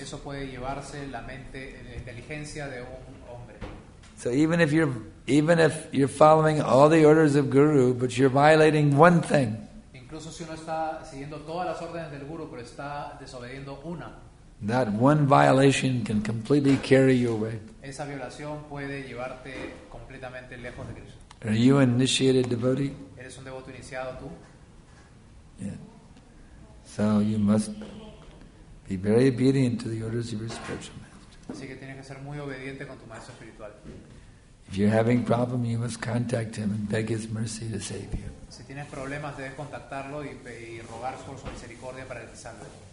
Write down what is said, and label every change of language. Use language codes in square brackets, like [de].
[es] Eso puede llevarse la mente, la inteligencia de un hombre. [en] So even if you're following all the orders of Guru, but you're violating one thing, [es] incluso si uno está siguiendo todas las órdenes del Guru, pero está desobedeciendo una, [en] that one violation can completely carry you away. [es] Esa violación puede llevarte completamente lejos de Krishna. [en] Are you an initiated devotee? [es] ¿Eres un devoto iniciado tú? [en] Yeah. So you must be very obedient to the orders of your spiritual master. [es] Así que tienes que ser muy obediente con tu maestro espiritual. [en] If you're having problem, you must contact him and beg his mercy to save you. [es] Si tienes problemas, debes contactarlo y rogar por su misericordia para que te salve.